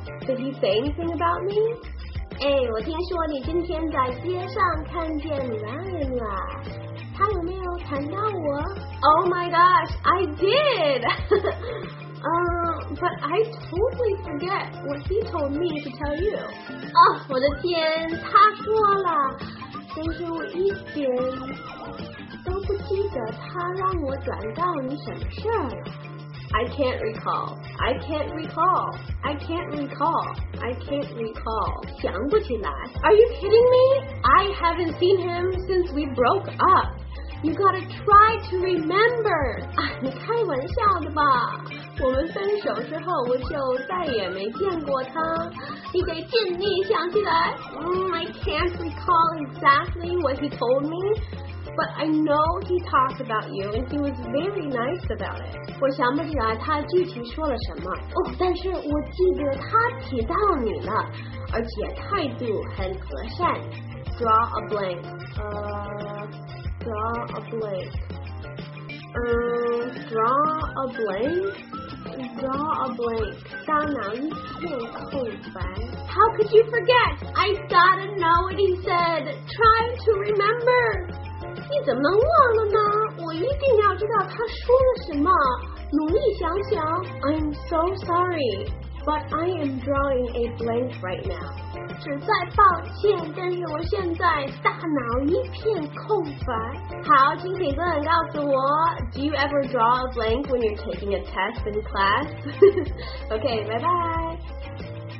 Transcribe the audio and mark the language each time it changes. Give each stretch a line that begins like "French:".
English: Did he say anything about me?
Chinese: 我听说你今天在街上看见 Ryan 了。他有没有谈到我？
English: Oh my gosh, I did! But I totally forget what he told me to tell you.
Chinese: 我的天，他说了。但是我一点都不记得他让我转告你什么事儿。
English: I can't recall. I can't recall. I can't recall. I can't recall.
Chinese: 想不起来。
English: Are you kidding me? I haven't seen him since we broke up. You gotta try to remember.
Chinese: 你开玩笑的吧？我们分手之后，我就再也没见过他。你得尽力想起来。
English: I can't recall exactly what he told me, but I know he talked about you and he was very nice about it.
Chinese: 我想不起来他具体说了什么。但是我记得他提到你了，而且态度很和善。
English: Draw a blank. Draw a blank. Draw a blank. Draw a blank.
Chinese: 大脑一片空白。
English: How could you forget? I gotta know what he said. Try to remember.
Chinese: 你怎么能忘了呢？我一定要知道他说了什么。努力想想。
English: I'm so sorry, but I am drawing a blank right now.
Chinese: 实在抱歉，但是我现在大脑一片空白。好，请提问告诉我
English: ，Do you ever draw a blank when you're taking a test in class? Okay, bye bye.